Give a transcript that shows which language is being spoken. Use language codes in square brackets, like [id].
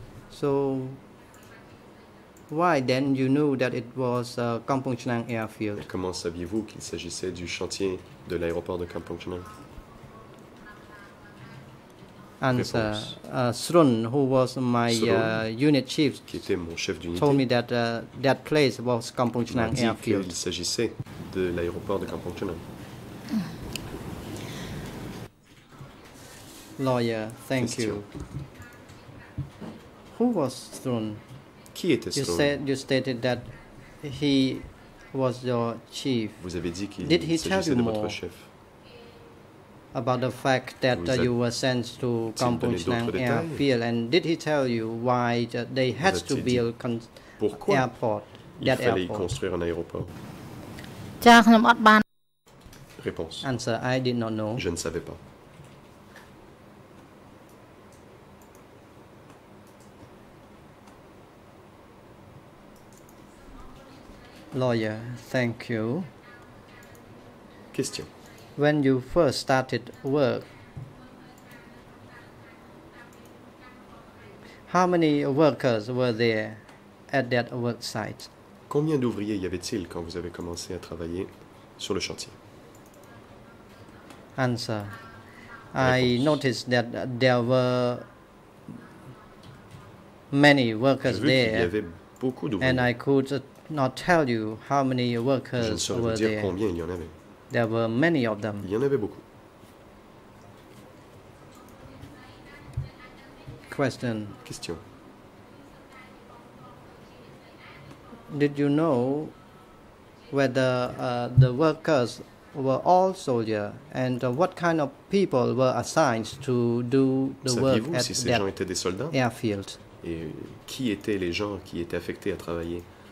[en] So, why then you knew that it was Kampong Chenang airfield? [fr] Et comment saviez-vous qu'il s'agissait du chantier de l'aéroport de Kampong Chenang? [en] Answer. Srun, who was my unit chief, [fr] qui était mon chef d'unité, [en] told me that that place was Kampong Chenang airfield. [fr] Qu'il s'agissait de l'aéroport de Kampong Chenang. [en] Lawyer, thank you. Who was Srun? [fr] Qui était [en] Srun? You stated that he was your chief. [fr] Vous avez dit qu'il s'agissait de votre chef. [en] About the fact that you were sent to Kampong Chenang airfield, and did he tell you why they had to build an airport? [fr] Pourquoi il fallait construire un aéroport? Réponse. [en] Answer: I did not know. [fr] Je ne savais pas. [en] Lawyer, thank you. Question. When you first started work, how many workers were there at that work site? [fr] Combien d'ouvriers y avait-il quand vous avez commencé à travailler sur le chantier? [en] Answer. [fr] Réponse. [en] I noticed that there were many workers there. [fr] Y avait beaucoup d'ouvriers. [en] And I could not tell you how many workers [fr] je ne saurais [en] were [fr] vous dire [en] there. [fr] Combien il y en avait. [en] There were many of them. [fr] Il y en avait beaucoup. [en] Question. Did you know whether the workers were all soldiers and what kind of people were assigned to do the work at si that [fr] ces gens étaient des soldats? [en] Airfield. [fr] Et qui étaient les gens qui étaient affectés à travailler?